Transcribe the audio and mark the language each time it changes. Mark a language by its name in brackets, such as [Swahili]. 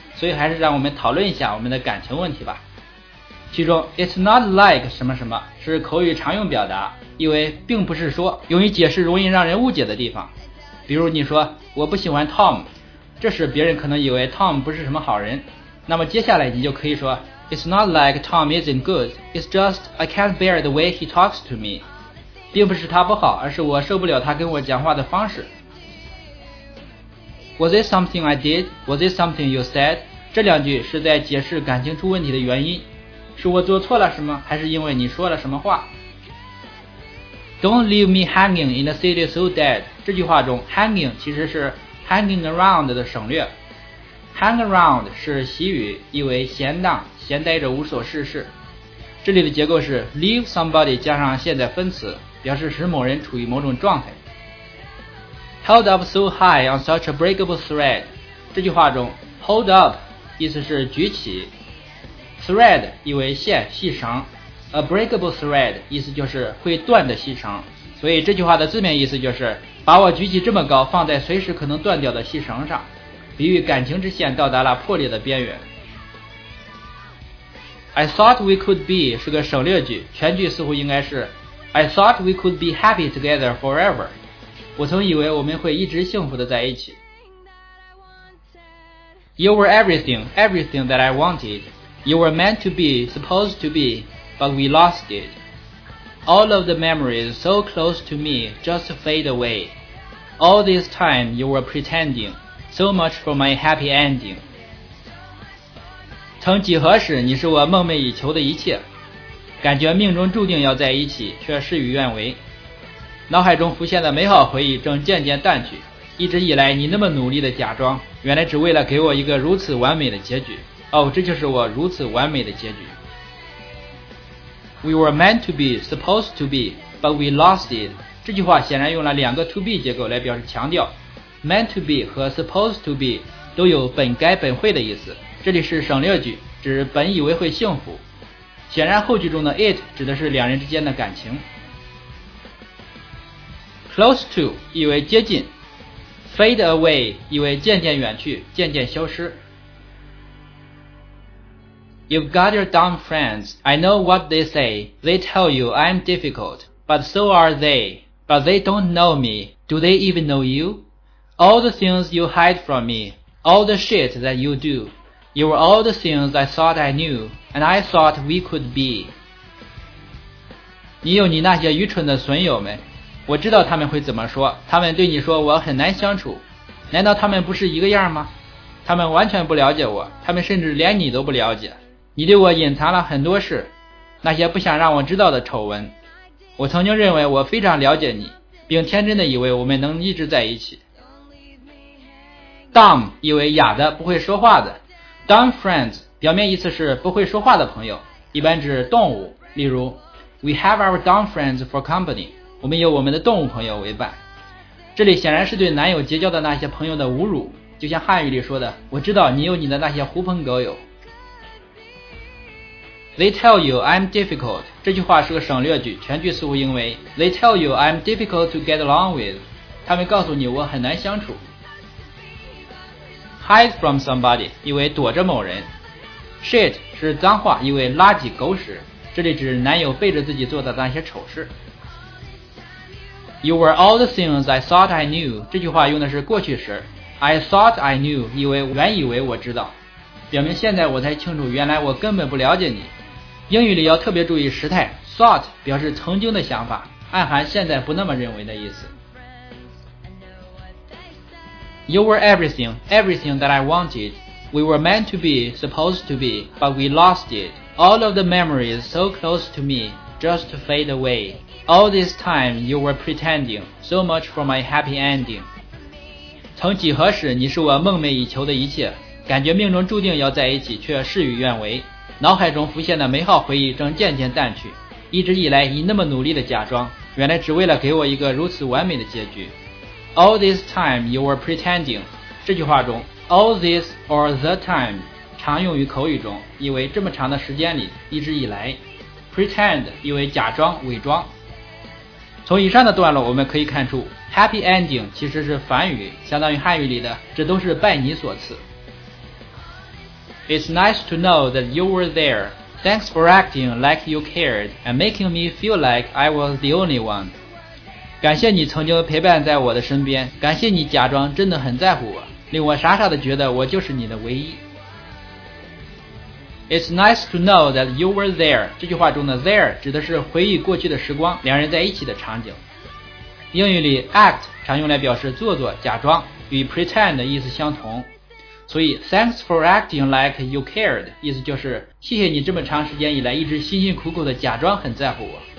[Chinese] 所以还是让我们讨论一下我们的感情问题吧。其中 [English] It's not like [Chinese] 什么什么是口语常用表达，意为并不是说，用于解释容易让人误解的地方。比如你说我不喜欢 Tom， 这时别人可能以为 Tom 不是什么好人。那么接下来你就可以说 [English] It's not like Tom isn't good. It's just I can't bear the way he talks to me. [Chinese] 并不是他不好，而是我受不了他跟我讲话的方式。 [English] Was it something I did? Was it something you said? [Chinese] 这两句是在解释感情出问题的原因，是我做错了什么，还是因为你说了什么话？ [English] Don't leave me hanging in a city so dead. [Chinese] 这句话中 hanging 其实是 hanging around 的省略。 Hang around 是习语，意为闲荡，闲呆着无所事事。这里的结构是 leave somebody 加上现在分词，表示使某人处于某种状态。 [English] Held up so high on such a breakable thread， [Chinese] 这句话中 hold up 意思是举起， thread 意为线细绳， a breakable thread 意思就是会断的细绳，所以这句话的字面意思就是把我举起这么高，放在随时可能断掉的细绳上，比喻感情之线到达了破裂的边缘。 [English] I thought we could be [Chinese] 是个省略句，全句似乎应该是 [English] I thought we could be happy together forever. [Chinese] 我曾以为我们会一直幸福地在一起。 [English] You were everything, everything that I wanted. You were meant to be, supposed to be, but we lost it. All of the memories so close to me just fade away. All this time you were pretending, so much for my happy ending. [Chinese] 曾几何时，你是我梦寐以求的一切。感觉命中注定要在一起，却事与愿违。脑海中浮现的美好回忆正渐渐淡去。一直以来你那么努力的假装，原来只为了给我一个如此完美的结局。哦，这就是我如此完美的结局。 [English] We were meant to be, supposed to be, but we lost it. [Chinese] 这句话显然用了两个 to be 结构来表示强调。Meant to be 和 supposed to be 都有本该本会的意思，这里是省略句，指本以为会幸福。显然后句中的 it 指的是两人之间的感情。 Close to 意为接近， Fade away 意为渐渐远去，渐渐消失。 [English] You've got your dumb friends. I know what they say. They tell you I'm difficult, but so are they. But they don't know me. Do they even know you? All the things you hide from me, all the shit that you do, you were all the things I thought I knewAnd I thought we could be. [Chinese] 你有你那些愚蠢的损友们，我知道他们会怎么说，他们对你说我很难相处，难道他们不是一个样吗？他们完全不了解我，他们甚至连你都不了解。你对我隐藏了很多事，那些不想让我知道的丑闻。我曾经认为我非常了解你，并天真的以为我们能一直在一起。 Dumb 意为哑的，不会说话的。Dumb friends表面意思是不会说话的朋友，一般指动物，例如 [English] We have our dumb friends for company， [Chinese] 我们有我们的动物朋友为伴。这里显然是对男友结交的那些朋友的侮辱，就像汉语里说的，我知道你有你的那些狐朋狗友。 [English] They tell you I'm difficult， [Chinese] 这句话是个省略句，全句似乎因为 [English] They tell you I'm difficult to get along with， [Chinese] 他们告诉你我很难相处。 hide from somebody 意为躲着某人。shit 是脏话，意为垃圾狗屎，这里指男友背着自己做的那些丑事。 [English] You were all the things I thought I knew [Chinese] 这句话用的是过去时， I thought I knew 意为原以为我知道，表明现在我才清楚原来我根本不了解你。英语里要特别注意时态， thought 表示曾经的想法，暗含现在不那么认为的意思。 [English] You were everything, everything that I wanted. We were meant to be, supposed to be, but we lost it. All of the memories so close to me just fade away. All this time you were pretending, so much for my happy ending. [Chinese] 曾几何时你是我梦寐以求的一切，感觉命中注定要在一起却事与愿违，脑海中浮现的美好回忆正渐渐淡去，一直以来你那么努力的假装，原来只为了给我一个如此完美的结局。 [English] All this time you were pretending [Chinese] 这句话中 All this or the time 常用于口语中，意为这么长的时间里一直以来。 Pretend 意为假装伪装。从以上的段落我们可以看出， Happy ending 其实是梵语，相当于汉语里的这都是拜你所赐。 [English] It's nice to know that you were there. Thanks for acting like you cared and making me feel like I was the only one. [Chinese] 感谢你曾经陪伴在我的身边，感谢你假装真的很在乎我，令我傻傻的觉得我就是你的唯一。 [English] It's nice to know that you were there. [Chinese] 这句话中的 there 指的是回忆过去的时光，两人在一起的场景。英语里 act 常用来表示做作、假装，与 pretend 的意思相同。所以 [English] thanks for acting like you cared [Chinese] 意思就是谢谢你这么长时间以来一直辛辛苦苦的假装很在乎我。